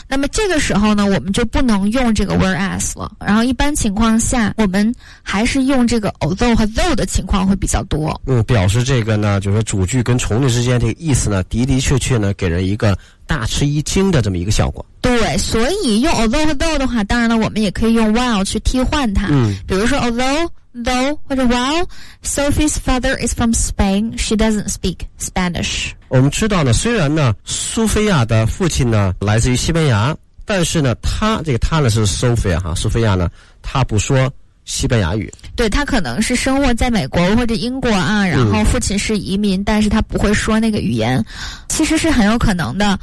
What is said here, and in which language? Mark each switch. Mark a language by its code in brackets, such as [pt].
[zh] 那么这个时候呢，我们就不能用这个 where as 了，然后一般情况下我们还是用这个 although 和 though 的情况会比较多。嗯，表示这个呢，就是主句跟从句之间这个意思呢，的的确确呢给人一个大吃一惊的这么一个效果。对，所以用 although 和 though 的话，当然了我们也可以用 while 去替换它。嗯，比如说 [en] although though [zh] 或者 [en] while Sophie's father is from Spain, she doesn't speak Spanish。 [zh] 我们知道呢，虽然呢苏菲亚的父亲呢来自于西班牙，但是呢他这个他呢是 Sophia 哈，苏菲亚呢他不说西班牙语。对，他可能是生活在美国或者英国啊，然后父亲是移民、嗯、但是他不会说那个语言，其实是很有可能的。